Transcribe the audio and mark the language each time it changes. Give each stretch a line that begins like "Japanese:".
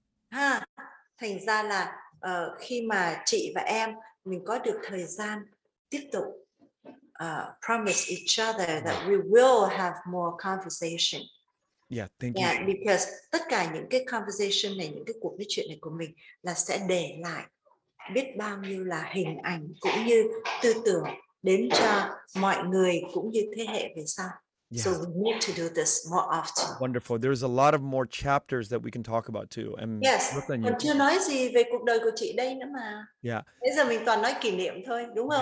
Vietnamese: Ha, thành ra là khi mà chị và em mình có được thời gian tiếp tục
English: promise each other that we will have more conversation. Yeah, thank yeah, you. Yeah, because
Vietnamese: tất cả những cái conversation này, những cái cuộc nói chuyện này của mình là sẽ để lại biết bao nhiêu là hình ảnh cũng như tư tưởng đến cho mọi người cũng như thế hệ về sau.
English: Yeah. So we need to do this more often. Wonderful. There's a lot of more chapters that we can talk about too. And yes.
Vietnamese: Còn chưa
English: thinking.
Vietnamese: Nói gì về cuộc đời của chị đây nữa mà. Yeah. Bây giờ mình toàn nói kỷ niệm thôi, đúng không?